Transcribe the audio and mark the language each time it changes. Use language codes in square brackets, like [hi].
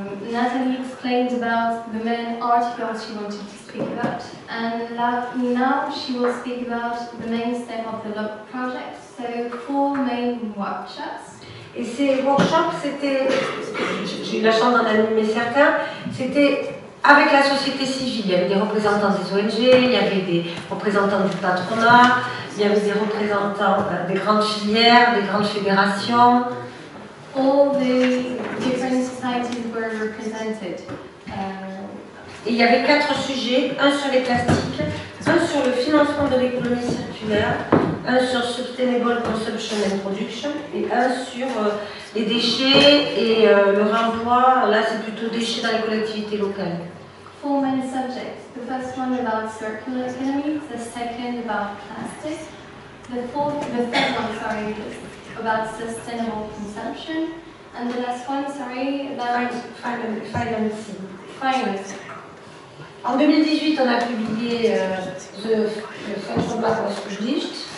[en] Nathalie explained about the main article she wanted to speak about, and now she will speak about the main step of the LOC project. So, four main workshops. [fr] Et ces workshops, c'était, j'ai eu la chance d'en animer certains, c'était avec la société civile. Il y avait des représentants des ONG, il y avait des représentants du patronat, il y avait des représentants des grandes filières, des grandes fédérations. [en] All the different societies were represented. [fr] Et il y avait quatre sujets, un sur les plastiques, un sur le financement de l'économie circulaire, un sur [en] sustainable consumption and production, [fr] et un sur les déchets et le réemploi. Là, c'est plutôt déchets dans les collectivités locales. [en] Four main subjects. The first one about circular economy, the second about plastic, the third one, about sustainable consumption, and the last one, financing. Finance. [fr] En 2018, on a publié [en] the French Roadmap was published.